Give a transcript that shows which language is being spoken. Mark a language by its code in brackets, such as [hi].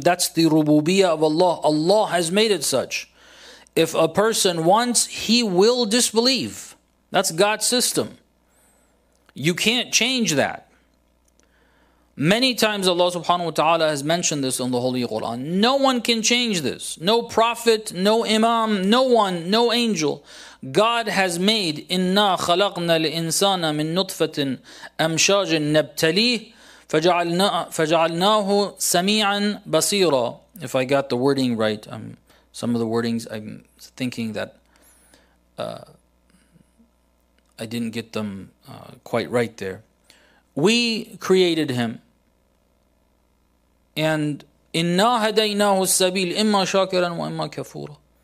[en] That's the rububiyyah of Allah. Allah has made it such. If a person wants, he will disbelieve. That's God's system. You can't change that. Many times Allah subhanahu wa ta'ala has mentioned this in the Holy Quran. No one can change this. No prophet, no imam, no one, no angel. God has made, [ar] إِنَّا خَلَقْنَا الْإِنسَانَ مِن نُطْفَةٍ أَمْشَاجٍ نَبْتَلِيهِ فَجَعَلْنَاهُ سَمِيعًا بَصِيرًا. [en] If I got the wording right, some of the wordings I'm thinking that I didn't get them quite right there. We created him. And [ar] إِنَّا هَدَيْنَاهُ السَّبِيلِ إِمَّا شَاكِرًا وَإِمَّا كَفُورًا.